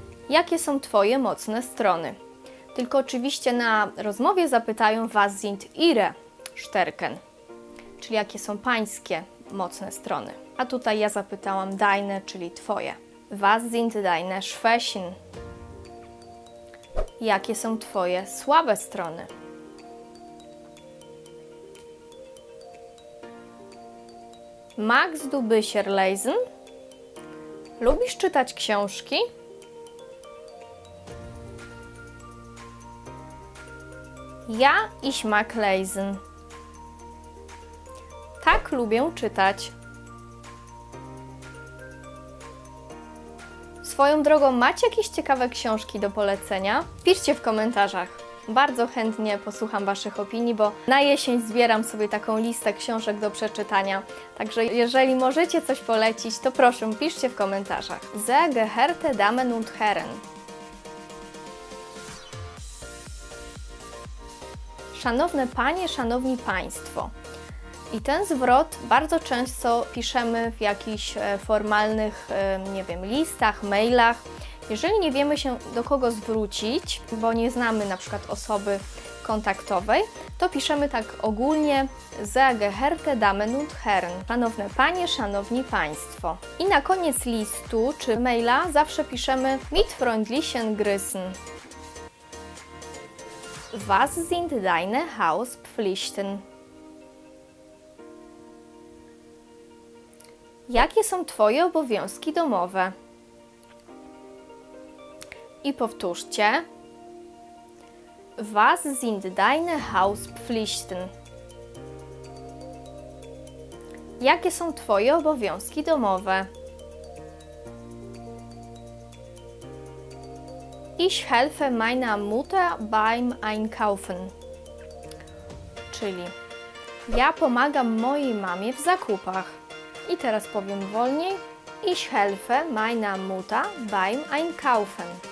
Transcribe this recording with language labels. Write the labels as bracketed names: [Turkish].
[Polish] Jakie są Twoje mocne strony? Tylko oczywiście na rozmowie zapytają [German] Was sind Ihre Stärken? [Polish] Czyli jakie są pańskie mocne strony. A tutaj ja zapytałam deine, czyli twoje. [German] Was sind deine Schwächen? [Polish] Jakie są twoje słabe strony? [German] Magst du Bücher lesen? [Polish] Lubisz czytać książki? [German] Ja, ich mag lesen. [Polish] Tak, lubię czytać. Swoją drogą, macie jakieś ciekawe książki do polecenia? Piszcie w komentarzach. Bardzo chętnie posłucham Waszych opinii, bo na jesień zbieram sobie taką listę książek do przeczytania. Także jeżeli możecie coś polecić, to proszę, piszcie w komentarzach. [German] Sehr geehrte Damen und Herren. [Polish] szanowne panie, szanowni państwo. I ten zwrot bardzo często piszemy w jakichś formalnych, nie wiem, listach, mailach. Jeżeli nie wiemy się do kogo zwrócić, bo nie znamy na przykład osoby kontaktowej, to piszemy tak ogólnie: [German] Sehr geehrte Damen und Herren. [Polish] Szanowne panie, szanowni państwo. I na koniec listu czy maila zawsze piszemy: [German] Mit freundlichen Grüßen. Was sind deine Hauspflichten? [Polish] Jakie są twoje obowiązki domowe? I powtórzcie. [German] Was sind deine Hauspflichten? [Polish] Jakie są twoje obowiązki domowe? [German] Ich helfe meiner Mutter beim Einkaufen. [Polish] Czyli ja pomagam mojej mamie w zakupach. I teraz powiem wolniej. [German] Ich helfe meiner Mutter beim Einkaufen.